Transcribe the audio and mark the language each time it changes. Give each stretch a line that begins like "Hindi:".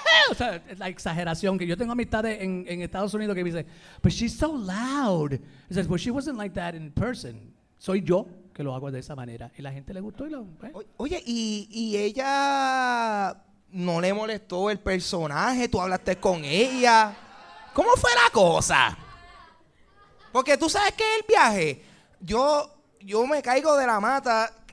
Spanish: O sea, la exageración que yo tengo amistades en Estados Unidos que me dicen,
English: but she's so loud. He says, but she wasn't like that in person.
Spanish: Soy yo que lo hago de esa manera. Y la gente le gustó. Oye, ¿y ella no le molestó el personaje? ¿Tú hablaste con ella? ¿Cómo fue la cosa? Porque tú sabes que el viaje, yo me caigo de la mata